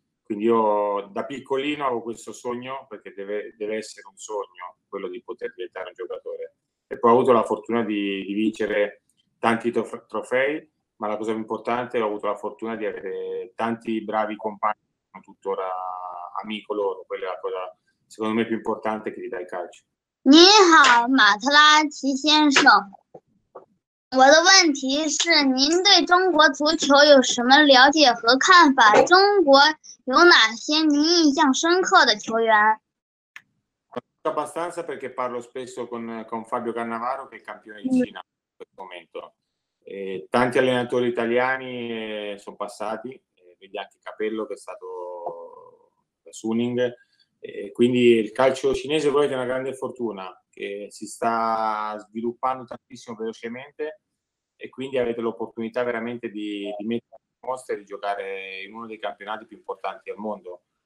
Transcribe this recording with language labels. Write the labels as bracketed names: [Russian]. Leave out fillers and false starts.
[Italian] Quindi io da piccolino avevo questo sogno, perché deve essere un sogno quello di poter diventare un giocatore, e poi ho avuto la fortuna di vincere tanti trofei. Ma la cosa più importante, ho avuto la fortuna di avere tanti bravi compagni, sono tuttora amico loro, quella è la cosa secondo me più importante che ti dà il calcio. [Chinese] 你好，马特拉奇先生。我的问题是，您对中国足球有什么了解和看法？中国有哪些您印象深刻的球员？ [Italian] abbastanza perché parlo spesso con Fabio Cannavaro che è campione di Cina in questo momento. E tanti allenatori italiani sono passati, vedi anche Capello che è stato da Suning. Quindi il calcio cinese è una grande fortuna che si sta sviluppando tantissimo velocemente e quindi avete l'opportunità veramente di mettere in mostra e di giocare in uno dei campionati più importanti al mondo.